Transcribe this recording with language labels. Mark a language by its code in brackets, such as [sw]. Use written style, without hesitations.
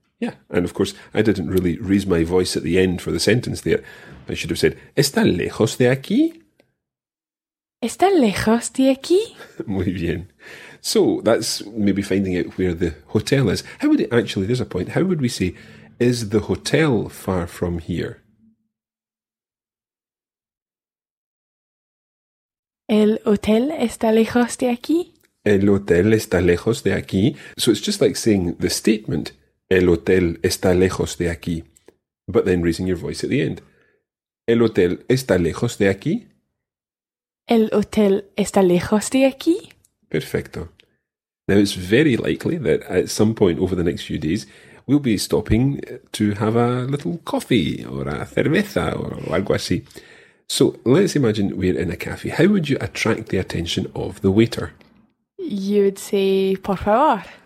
[en] Yeah, and of course, I didn't really raise my voice at the end for the sentence there. I should have said, [es] ¿está lejos de aquí? ¿Está lejos de aquí? Muy bien. [en] So, that's maybe finding out where the hotel is. How would it actually, there's a point, how would we say, is the hotel far from here? [es] ¿El hotel está lejos de aquí? El hotel está lejos de aquí. [en] So it's just like saying the statement, [es] el hotel está lejos de aquí, [en] but then raising your voice at the end. [es] El hotel está lejos de aquí. El hotel está lejos de aquí. Perfecto. [en] Now it's very likely that at some point over the next few days, we'll be stopping to have a little coffee or a cerveza or [es] algo así. [en] So let's imagine we're in a cafe. How would you attract the attention of the waiter? You would say, por favor.